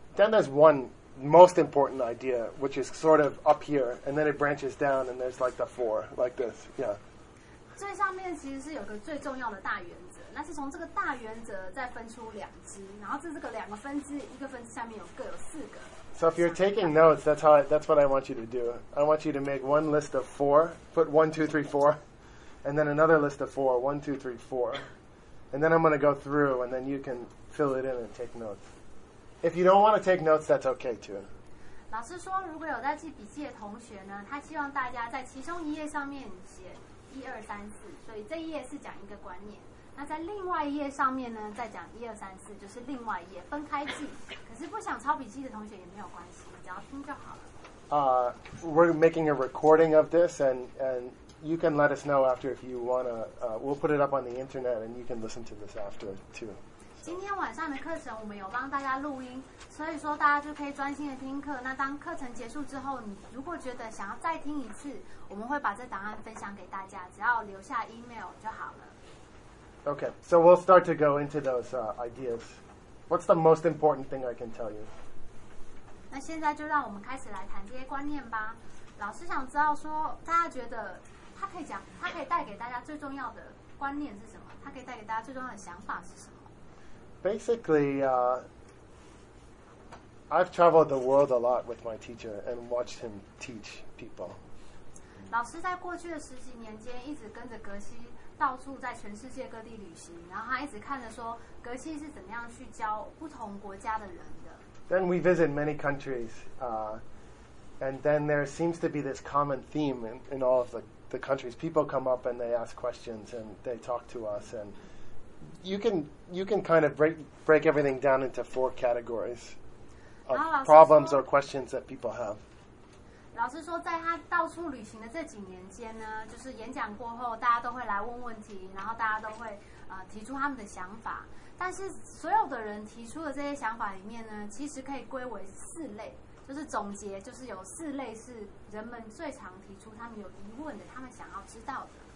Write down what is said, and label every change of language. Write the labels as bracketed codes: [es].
[en] Then there's one most important idea, which is sort of up here, and then it branches down, and there's like the four, like this, yeah. [zh] 最上面其实是有个最重要的大原则，那是从这个大原则再分出两支，然后这个两个分支，一个分支下面有各有四个。 [en] So if you're taking notes, that's what I want you to do. I want you to make one list of four, put 1, 2, 3, 4, and then another list of 4, 1, 2, 3, 4, and then I'm going to go through, and then you can fill it in and take notes. If you don't want to take notes, that's okay too. [zh] 老师说，如果有在记笔记的同学呢，他希望大家在其中一页上面写1、2、3、4，所以这一页是讲一个观念。那在另外一页上面呢，再讲1、2、3、4，就是另外一页分开记。可是不想抄笔记的同学也没有关系，只要听就好了。 [en] we're making a recording of this, and you can let us know after if you want to. We'll put it up on the internet, and you can listen to this after, too. [zh] 今天晚上的课程我们有帮大家录音，所以说大家就可以专心的听课。那当课程结束之后，你如果觉得想要再听一次，我们会把这档案分享给大家，只要留下 email 就好了。 [en] Okay, so we'll start to go into those ideas. What's the most important thing I can tell you? [zh] 那现在就让我们开始来谈这些观念吧。老师想知道说，大家觉得他可以讲，他可以带给大家最重要的观念是什么？他可以带给大家最重要的想法是什么？ [en] Basically, I've traveled the world a lot with my teacher and watched him teach people. [zh] 老师在过去的十几年间一直跟着格西到处在全世界各地旅行，然后他一直看着说格西是怎么样去教不同国家的人的。 [en] Then we visit many countries, and then there seems to be this common theme in all of the countries. People come up and they ask questions and they talk to us and. You can kind of break everything down into four categories of problems or questions that people have. [zh] 老师说，在他到处旅行的这几年间呢，就是演讲过后，大家都会来问问题，然后大家都会提出他们的想法。但是所有的人提出的这些想法里面呢，其实可以归为四类，就是总结，就是有四类是人们最常提出他们有疑问的，他们想要知道的。